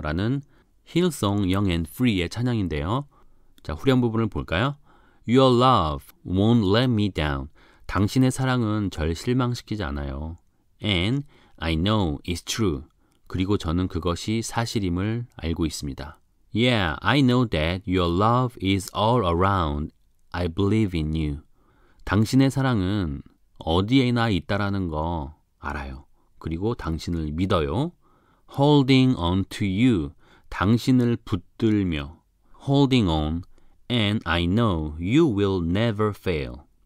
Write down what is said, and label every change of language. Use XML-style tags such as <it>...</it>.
<ko>라는 Hillsong Young and Free의 찬양인데요. 자, 후렴 부분을 볼까요?</ko> <en>Your love won't let me down.</en> <ko>당신의 사랑은 절 실망시키지 않아요.</ko> <en>And I know it's true.</en> <ko>그리고 저는 그것이 사실임을 알고 있습니다.</ko> <en>Yeah, I know that your love is all around. I believe in you.</en> <ko>당신의 사랑은 어디에나 있다라는 거 알아요. 그리고 당신을 믿어요.</ko> <en>Holding on to you.</en> <ko>당신을 붙들며.</ko> <en>Holding on. And I know you will never fail.</en>